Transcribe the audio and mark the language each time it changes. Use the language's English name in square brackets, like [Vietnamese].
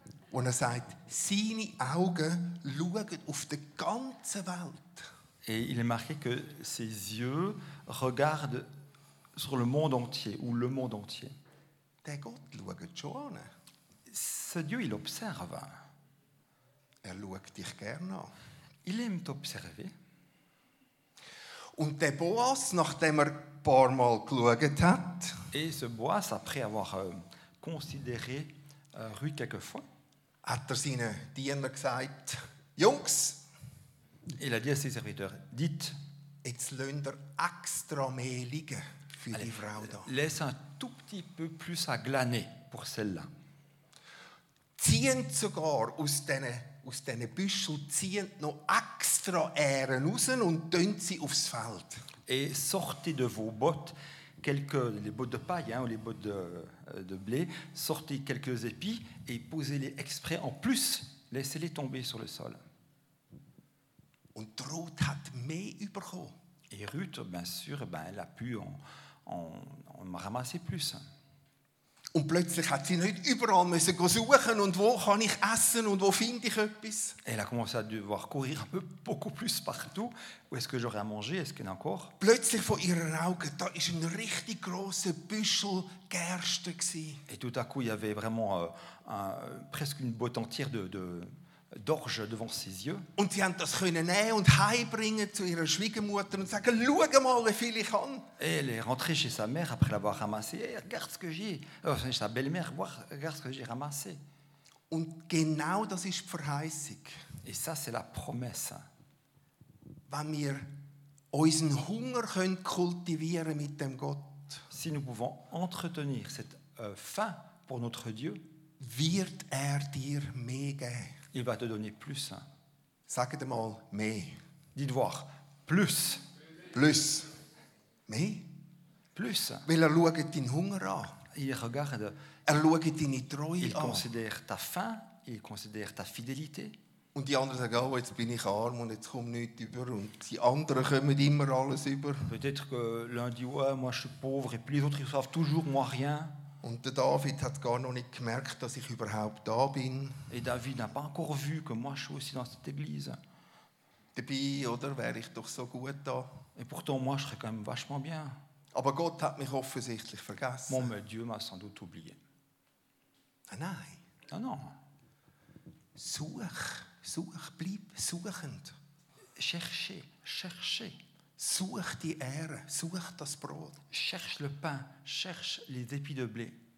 [German] Und er sagt, seine Augen schauen auf die ganze Welt. [French] Et il est marqué que ses yeux regardent sur le monde entier ou le monde entier. [German] Der Gott schaut schon an. [French] Ce Dieu, il observe. [German] Er schaut dich gerne an. [French] Il aime t'observer. [German] Und der Boas, nachdem er paar Mal geschaut hat. [French] Et ce Boas, après avoir considéré Ruth quelquefois, [German] hat er seinen Dienern gesagt, Jungs, [French] il a dit à ses serviteurs, dites, [German] jetzt lasst ihr extra mehr liegen für die Frau da. [French] Laisse un tout petit peu plus à glaner pour celle-là. [German] Zieht sogar aus diesen Büschel, zieht noch extra Ähren raus und tönt sie aufs Feld. [French] Et sortez de vos bottes quelques les bottes de paille hein, ou les bottes de blé, sortez quelques épis et posez-les exprès en plus, laissez-les tomber sur le sol. [German] Und Ruth hat mehr überkommen. [French] Et Ruth, bien sûr, elle a pu en ramasser plus. [German] Und plötzlich hat sie nicht überall müssen suchen und wo kann ich essen und wo finde ich etwas? [French] Elle a commencé à devoir courir un peu beaucoup plus partout. Où est-ce que j'aurai à manger? Est-ce qu'il y en a encore? [German] Plötzlich vor ihren Augen, da ist ein richtig grosser Büschel Gerste gsi. [French] Et tout à coup, il y avait vraiment presque une botte entière d'orge devant ses yeux. [German] Und sie haben das können nehmen und heimbringen zu ihrer Schwiegermutter und sagen, schau mal, wie viel ich habe. [French] Et elle est rentrée chez sa mère après l'avoir ramassé. Hey, regarde ce que j'ai. Enfin, sa belle-mère, regarde ce que j'ai ramassé. [German] Und genau das ist die Verheißung. [French] Et ça, c'est la promesse. [German] Wenn wir unseren Hunger können kultivieren mit dem Gott. [French] Si nous pouvons entretenir cette faim pour notre Dieu, [German] wird er dir mehr geben. [French] Il va te donner plus. [German] Sagte mal mehr. [French] Dites voir plus. Plus. [German] Mehr. [French] Plus. [German] Weil er schaut deinen Hunger an. [French] Il regarde. [German] Er schaut deine Treue [French] an. Il considère ta faim. Il considère ta fidélité. [German] Und die anderen sagen, oh, jetzt bin ich arm und jetzt kommt nichts über. Und die anderen kommen immer alles über. [French] Peut-être que l'un dit, ouais, moi je suis pauvre. Et puis les autres, ils savent toujours, moi rien. [German] Und der David hat gar noch nicht gemerkt, dass ich überhaupt da bin. [French] Et David n'a pas encore vu que moi je suis aussi dans cette église. [German] Dabei, oder, wäre ich doch so gut da. [French] Et pourtant, moi je serais quand même vachement bien. [German] Aber Gott hat mich offensichtlich vergessen. [French] Mon mais Dieu m'a sans doute oublié. [German] Ah, nein. [French] Ah, non. [German] Such. Such, bleib suchend. [French] Cherchez. [German] Such die Ehre, such das Brot. [French] Cherche le pain, cherche les épis de blé.